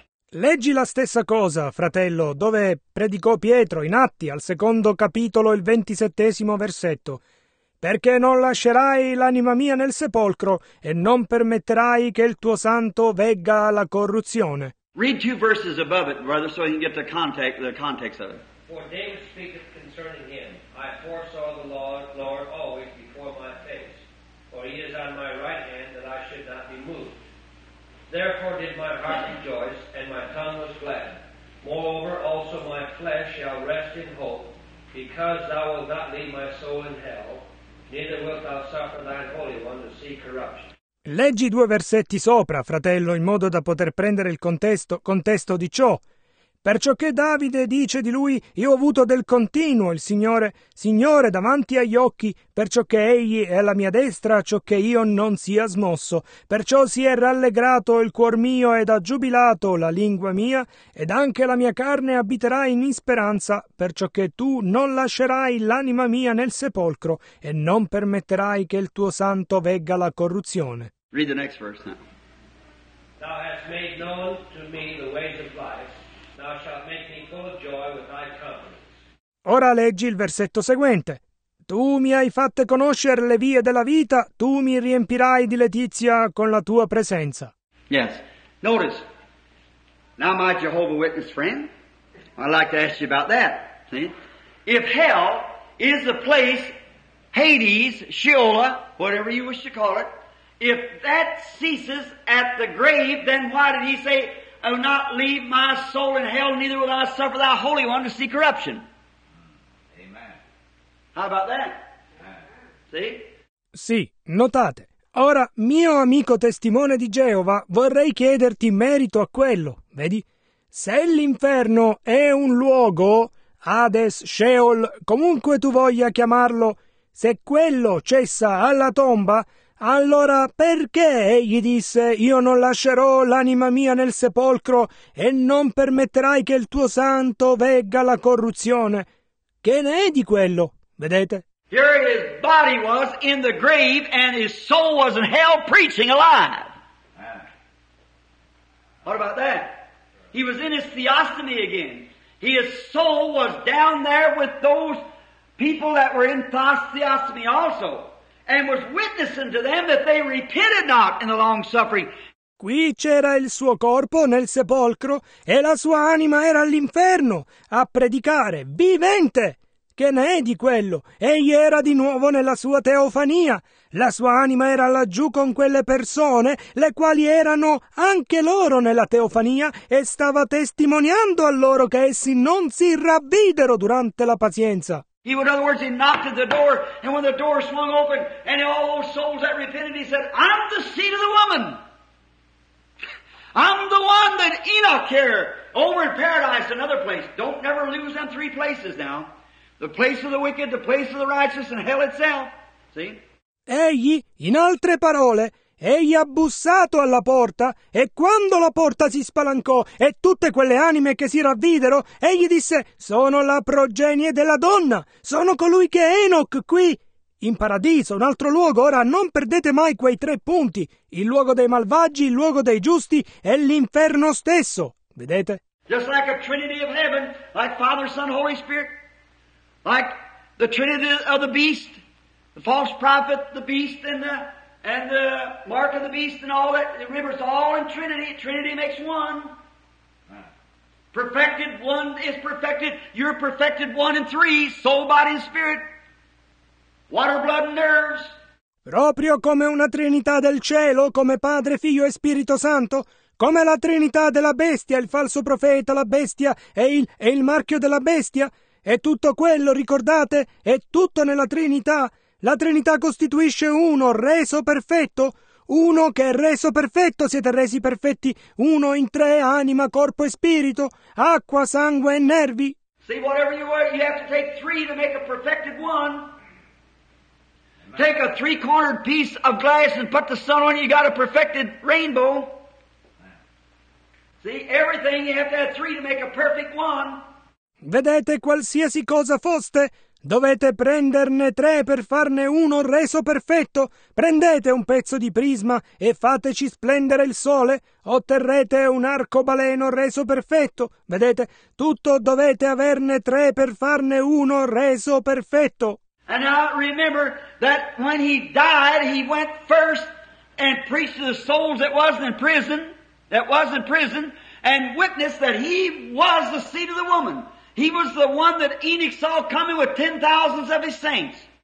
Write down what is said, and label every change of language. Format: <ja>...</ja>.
<it>Leggi la stessa cosa, fratello, dove predicò Pietro in Atti, al secondo capitolo, il 27 versetto. Perché non lascerai l'anima mia nel sepolcro e non permetterai che il tuo santo vegga la corruzione.</it> <en>Read two verses above it, brother, so you can get the context of it. For David speaketh concerning him, I foresaw the Lord always before my face. For he is on my right hand that I should not be moved. Therefore did my heart rejoice, and my tongue was glad. Moreover also my flesh shall rest in hope, because thou wilt not leave my soul in hell, neither wilt thou suffer thine holy one to see corruption.</en> <it>Leggi due versetti sopra, fratello, in modo da poter prendere il contesto di ciò. Perciò che Davide dice di lui, io ho avuto del continuo il Signore davanti agli occhi, perciò che egli è alla mia destra, ciò che io non sia smosso. Perciò si è rallegrato il cuor mio ed ha giubilato la lingua mia, ed anche la mia carne abiterà in speranza, perciò che tu non lascerai l'anima mia nel sepolcro e non permetterai che il tuo santo vegga la corruzione.</it> <en>Read the next verse now. Thou hast made known to me the ways of life. thou shalt make me full of joy with thy company.</en> <it>Ora leggi il versetto seguente. Tu mi hai fatto conoscere le vie della vita, tu mi riempirai di letizia con la tua presenza.</it> <en>Yes. Notice. Now my Jehovah Witness friend, I'd like to ask you about that. See? If hell is the place, Hades, Sheolah, whatever you wish to call it, if that ceases at the grave, then why did he say, I will not leave my soul in hell, neither will I suffer thy Holy One to see corruption? How about that? See?</en> <it>Sì, notate. Ora, mio amico testimone di Geova, vorrei chiederti merito a quello. Vedi? Se l'inferno è un luogo, Hades, Sheol, comunque tu voglia chiamarlo, se quello cessa alla tomba, allora perché egli disse «Io non lascerò l'anima mia nel sepolcro e non permetterai che il tuo santo vegga la corruzione?» Che ne è di quello? Vedete?</it> <en>Here his body was in the grave and his soul was in hell preaching alive. What about that? He was in his theostomy again. His soul was down there with those people that were in theostomy also and was witnessing to them that they repented not in the long suffering.</en> <it>Qui c'era il suo corpo nel sepolcro e la sua anima era all'inferno a predicare vivente. Che ne è di quello? Egli era di nuovo nella sua teofania. La sua anima era laggiù con quelle persone, le quali erano anche loro nella teofania, e stava testimoniando a loro che essi non si ravvidero durante la pazienza.</it> <en>In other words, he knocked at the door, and when the door swung open, and all those souls that repented, he said, I'm the seed of the woman. I'm the one that Enoch here, over in paradise, another place. Don't never lose them three places now. The place of the wicked, the place of the righteous, and hell itself. See?</en> <it>Egli, in altre parole, egli ha bussato alla porta, e quando la porta si spalancò e tutte quelle anime che si ravvidero, egli disse, sono la progenie della donna, sono colui che è Enoch qui, in paradiso, un altro luogo. Ora non perdete mai quei tre punti, il luogo dei malvagi, il luogo dei giusti e l'inferno stesso. Vedete?</it> <en>Just like a trinity of heaven, like Father, Son, Holy Spirit. Like the trinity of the beast, the false prophet, the beast, and the mark of the beast, and all that. The river's all in trinity. Trinity makes one. Perfected one is perfected. You're perfected one and three, soul, body, and spirit. Water, blood, and nerves.</en> <it>Proprio come una trinità del cielo, come Padre, Figlio e Spirito Santo, come la trinità della bestia, il falso profeta, la bestia e il marchio della bestia, e tutto quello, ricordate, è tutto nella Trinità. La Trinità costituisce uno reso perfetto. Uno che è reso perfetto, siete resi perfetti. Uno in tre, anima, corpo e spirito, acqua, sangue e nervi.</it> <en>See, whatever you are, you have to take three to make a perfected one. Take a three-cornered piece of glass and put the sun on it, you got a perfected rainbow. See, everything, you have to have three to make a perfect one.</en> <it>Vedete, qualsiasi cosa foste, dovete prenderne tre per farne uno reso perfetto. Prendete un pezzo di prisma e fateci splendere il sole, otterrete un arcobaleno reso perfetto. Vedete, tutto dovete averne tre per farne uno reso perfetto.</it> <en>And now remember that when he died, he went first and preached to the souls that was in prison, and witnessed that he was the seed of the woman. He was the one that Enoch saw coming with 10,000 of his saints.</en>